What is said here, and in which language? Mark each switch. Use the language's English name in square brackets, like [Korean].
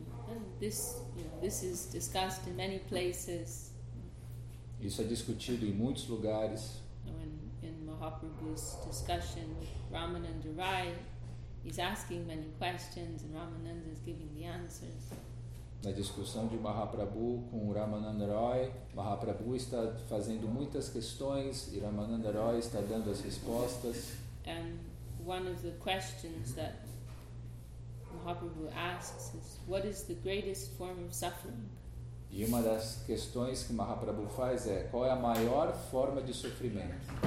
[English] And this, you know, this is discussed in many places. [Portuguese] Isso é discutido em muitos lugares. [English] In Mahaprabhu's discussion with Ramananda Rai, he's asking many questions and Ramananda is giving the answers. [Portuguese] Na discussão de Mahaprabhu com Ramananda Rai, Mahaprabhu está fazendo muitas questões e Ramananda Rai está dando as respostas. [English] And one of the questions that Mahaprabhu asks is, what is the greatest form of suffering? [Portuguese] E uma das questões que Mahaprabhu faz é, qual é a maior forma de sofrimento?